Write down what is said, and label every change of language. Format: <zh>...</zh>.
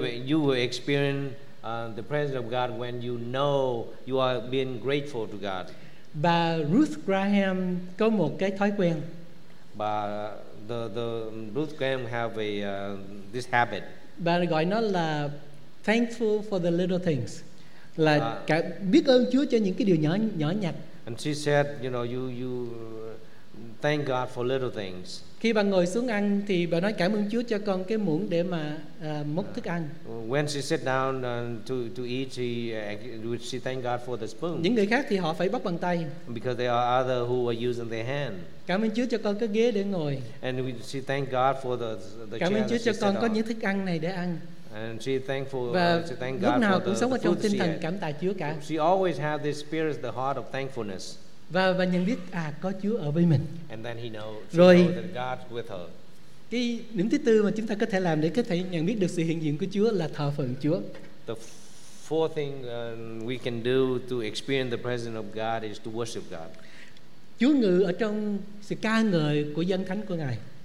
<en>You will experience the presence of God when you know you are being grateful to God.</en> <vi>Bà Ruth Graham có một cái thói quen.</vi> <en>Bà the Ruth Graham have a this habit.</en> <vi>Bà gọi nó là</vi> <en>thankful for the little things.</en> <vi>Là cả biết ơn Chúa cho những cái điều nhỏ nhặt.</vi> <en>And she said, you know, you thank God for little things.</en> <vi>Khi bà ngồi xuống ăn thì bà nói cảm ơn Chúa cho con cái muỗng để mà múc thức ăn.</vi> <en>When she sat down to eat, she thanked God for the spoon.</en> <vi>Những người khác thì họ phải bắt bằng tay.</vi> <en>Because there are others who are using their hand.</en> <vi>Cảm ơn Chúa cho con cái ghế để ngồi.</vi> <en>And she thanked God for the</en> <vi>chair. Cảm ơn Chúa cho con có những thức ăn này để ăn.</vi> <en>And she thankful.</en> <vi>Và</vi> <en>she thank God</en> <vi>lúc nào</vi> <en>for</en> <vi>cũng</vi> <en>the</en> <vi>sống ở trong tinh thần cảm tạ Chúa cả.</vi> <en>She always have this spirit, the heart of thankfulness.</en> <vi>Và nhận biết có Chúa ở với mình.</vi> <en>And then</en> <vi>rồi</vi> <en>know that God's with her.</en> <vi>Cái điểm thứ tư mà chúng ta có thể làm để có thể nhận biết được sự hiện diện của Chúa là thờ phượng Chúa.</vi> <en>The fourth thing we can do to experience the presence of God is to worship God.</en> <vi>Chúa ngự ở trong sự ca ngợi của dân thánh của Ngài.</vi>